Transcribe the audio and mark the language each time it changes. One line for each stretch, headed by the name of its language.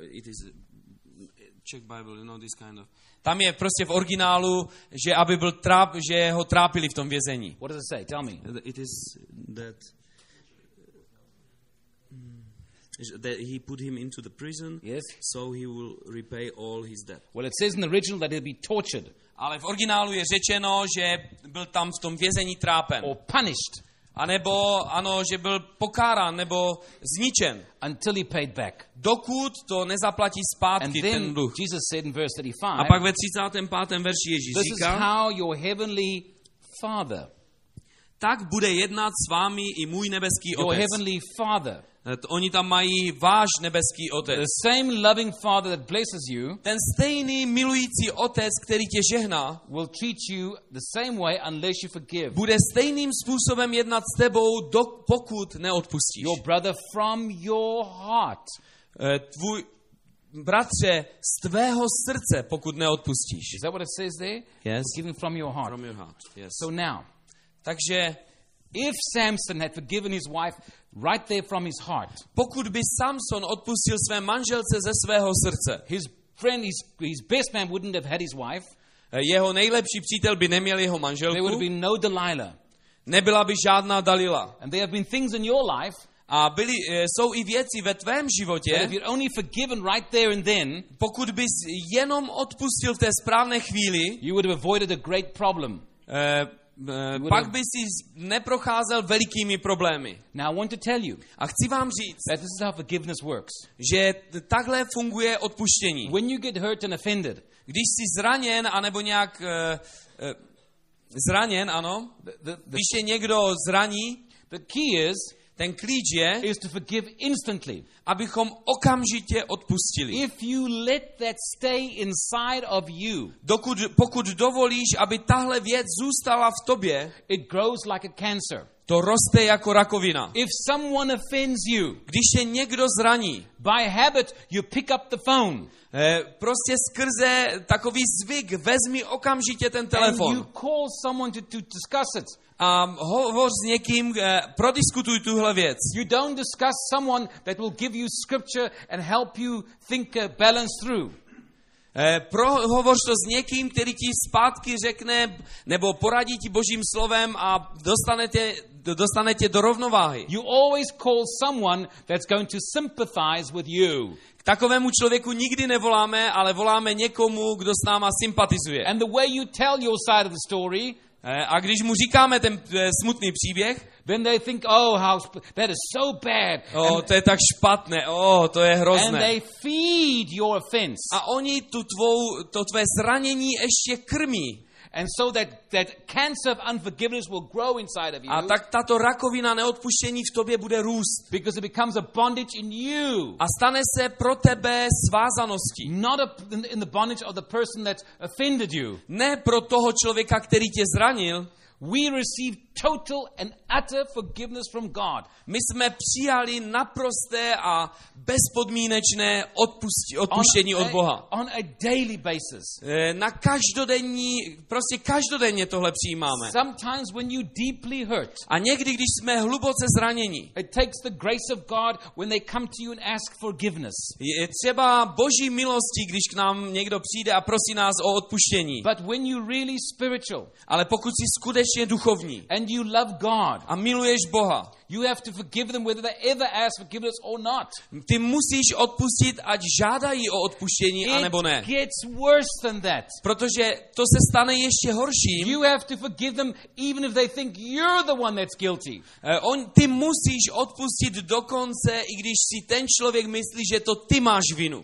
English: It is Czech Bible, you know this kind of.
Czech: Tam je prostě v originálu, že aby byl tráp, že ho trápili v tom vězení.
English: What does it say? Tell me. It is that that he put him into the prison. Yes. So he will repay all his debt. Well, it says in the original that he'll be tortured.
Czech: Ale v originálu je řečeno, že byl tam v tom vězení trápen.
English: Or punished.
Czech: A nebo ano, že byl pokárán nebo zničen.
English: Until he paid back.
Czech: Dokud to nezaplatí zpátky
English: and
Czech: ten dluh.
English: Jesus said in verse 35,
Czech: a pak ve 35. verši Ježíš
English: this
Czech: říká,
English: is how your heavenly father,
Czech: tak bude jednat s vámi i můj nebeský
English: your
Czech: otec.
English: Heavenly father,
Czech: oni tam mají váš nebeský otec.
English: The same loving father that blesses you,
Czech: ten stejný milující otec, který tě žehná,
English: will treat you the same way unless you forgive.
Czech: Bude stejným způsobem jednat s tebou, pokud neodpustíš.
English: Your brother from your heart.
Czech: Tvůj bratře, z tvého srdce, pokud neodpustíš.
English: Is that what it says there? Yes. Forgiven from your heart. From your heart. Yes. So now,
Czech: takže
English: if Samson had forgiven his wife right there from his heart,
Czech: pokud by Samson odpustil své manželce ze svého srdce,
English: his friend, his best man wouldn't have had his wife.
Czech: Jeho nejlepší přítel by neměl jeho manželku.
English: There would be no Delilah.
Czech: Nebyla by žádná Dalila.
English: And there have been things in your life.
Czech: A byli, jsou i věci ve tvém životě,
English: only forgiven right there and then,
Czech: pokud bys jenom odpustil v té správné chvíli,
English: you would have avoided a great problem.
Czech: Pak bys neprocházel velikými problémy.
English: Now I want to tell you,
Czech: a chci vám říct,
English: that this is how forgiveness works.
Czech: Že takhle funguje odpuštění.
English: When you get hurt and offended,
Czech: když jsi zraněn, anebo nějak zraněn, ano, když je někdo zraní,
English: the key is,
Czech: ten klíč je,
English: is to forgive instantly.
Czech: Abychom okamžitě odpustili.
English: If you let that stay inside of you,
Czech: pokud dovolíš, aby tahle věc zůstala v tobě,
English: it grows like a cancer.
Czech: To roste jako rakovina.
English: If someone offends you,
Czech: když tě někdo zraní,
English: by habit you pick up the phone.
Czech: Prostě skrze takový zvyk vezmi okamžitě ten telefon.
English: And you call someone to discuss it.
Czech: A hovoř s někým, prodiskutuj tuhle věc.
English: You don't discuss someone that will give you scripture and help you think balance through.
Czech: Prohovoř to s někým, který ti zpátky řekne nebo poradí ti Božím slovem a dostanete do rovnováhy.
English: You always call someone that's going to sympathize with you.
Czech: K takovému člověku nikdy nevoláme, ale voláme někomu, kdo s náma sympatizuje.
English: And the way you tell your side of the story,
Czech: a když mu říkáme ten smutný příběh,
English: then they think, oh, how that is so bad.
Czech: Oh, to je tak špatné. Oh, to je hrozné.
English: And they feed your offense.
Czech: A oni to tvé zranění ještě krmí.
English: And so that cancer of unforgiveness will grow inside of you.
Czech: A tak tato rakovina neodpuštění v tobě bude růst.
English: Because it becomes a bondage in you.
Czech: A stane se pro tebe svázaností.
English: Not in the bondage of the person that offended you.
Czech: Ne pro toho člověka, který tě zranil.
English: We receive total and utter forgiveness from God.
Czech: My jsme přijali naprosté a bezpodmínečné odpuštění od Boha.
English: On a daily basis.
Czech: Na každodenní, prostě každodenně tohle přijímáme.
English: Sometimes when you deeply hurt.
Czech: A někdy, když jsme hluboce zraněni.
English: It takes the grace of God when they come to you and ask forgiveness.
Czech: Je třeba Boží milosti, když k nám někdo přijde a prosí nás o odpuštění.
English: But when you really spiritual.
Czech: Ale pokud jsi skutečně duchovní.
English: And you love God.
Czech: A miluješ Boha.
English: You have to forgive them whether they ever ask forgiveness or not.
Czech: Ty musíš odpustit, ať žádají o odpuštění,
English: it
Czech: anebo ne.
English: Gets worse than that.
Czech: Protože to se stane ještě horším.
English: You have to forgive them even if they think you're the one that's guilty.
Czech: Ty musíš odpustit dokonce, i když si ten člověk myslí, že to ty máš vinu.